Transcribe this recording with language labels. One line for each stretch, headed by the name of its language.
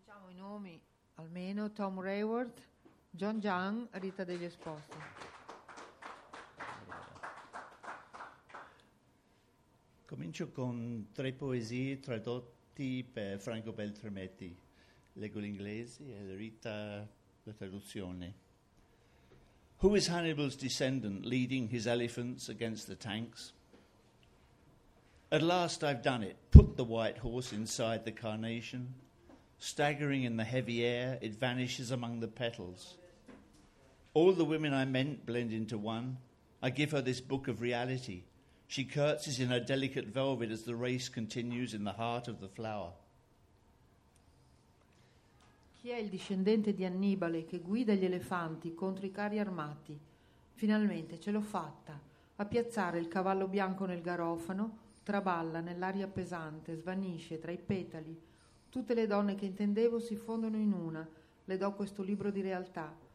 Italian: I nomi almeno: Tom Rayworth, John Young, Rita degli Esposti. Comincio con tre poesie tradotti per Franco Beltrametti. Leggo l'inglese e Rita la traduzione.
English: Who is Hannibal's descendant leading his elephants against the tanks? At last I've done it, put the white horse inside the carnation. Staggering in the heavy air, it vanishes among the petals. All the women I meant blend into one. I give her this book of reality. She curtsies in her delicate velvet as the race continues in the heart of the flower.
Italian: Chi è il discendente di Annibale che guida gli elefanti contro i carri armati? Finalmente ce l'ho fatta. A piazzare il cavallo bianco nel garofano, traballa nell'aria pesante, svanisce tra i petali. Tutte le donne che intendevo si fondono in una. Le do questo libro di realtà.